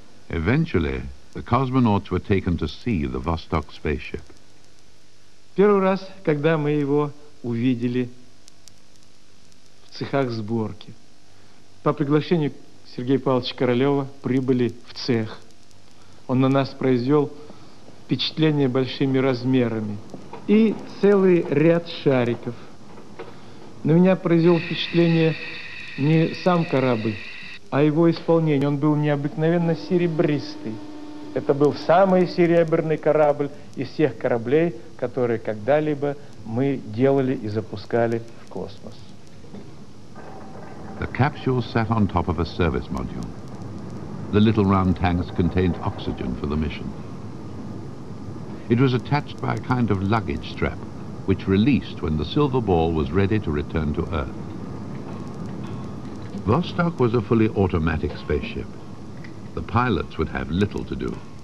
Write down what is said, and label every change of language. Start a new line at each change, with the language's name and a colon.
English: Eventually, the cosmonauts were taken to see the Vostok spaceship.
Russian: Первый раз, когда мы его увидели в цехах сборки. По приглашению Сергея Павловича Королева прибыли в цех. Он на нас произвел впечатление большими размерами. И целый ряд шариков. На меня произвел впечатление не сам корабль, а его исполнение. Он был необыкновенно серебристый. Это был самый серебряный корабль из всех кораблей, которые когда-либо мы делали и запускали в космос.
English: The capsule sat on top of a service module. The little round tanks contained oxygen for the mission. It was attached by a kind of luggage strap, which released when the silver ball was ready to return to Earth. Vostok was a fully automatic spaceship. The pilots would have little to do.